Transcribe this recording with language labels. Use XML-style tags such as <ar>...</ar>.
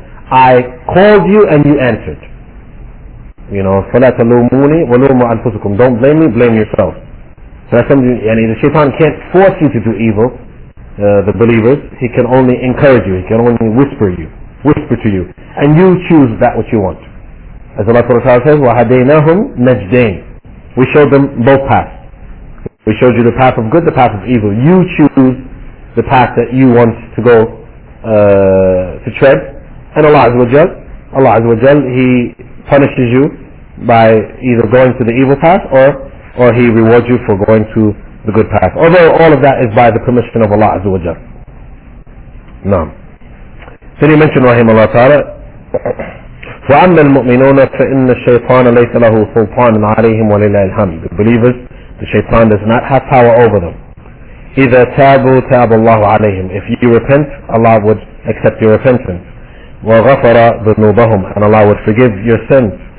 <en>I called you and you answered. You know,</en> <ar>فَلَا تَلُومُونِي وَلُومُوا أَنفُسُكُمْ.</ar> <en>Don't blame me, blame yourself. So that's something, the shaitan can't force you to do evil, the believers. He can only encourage you, he can only whisper to you. And you choose that which you want. As Allah says,</en> <ar>وَهَدَيْنَاهُمْ نَجْدَيْنَ.</ar> <en>We showed them both paths. We showed you the path of good, the path of evil. You choose the path that you want to go to tread. And Allah Azza wa Jal, He punishes you by either going to the evil path or He rewards you for going to the good path. Although all of that is by the permission of Allah Azza wa Jal. Naam. Then He mentioned Rahimahullah Ta'ala,</en> <ar>فَأَمَّا الْمُؤْمِنُونَ فَإِنَّ الشَّيْطَانَ لَيْسَ لَهُ سُلْطَانٌ عَلَيْهِمْ وَلِلَّهِ الْحَمْدُ.</ar> <en>Believers, the shaitan does not have power over them.</en> <ar>إِذَا تَابُوا تَابَ اللَّهُ عَلَيْهِمْ.</ar> <en>If you repent, Allah would accept your repentance.</en> <ar>وَغَفَرَ ذُنُوبَهُمْ.</ar> <en>And Allah would forgive your sins.</en>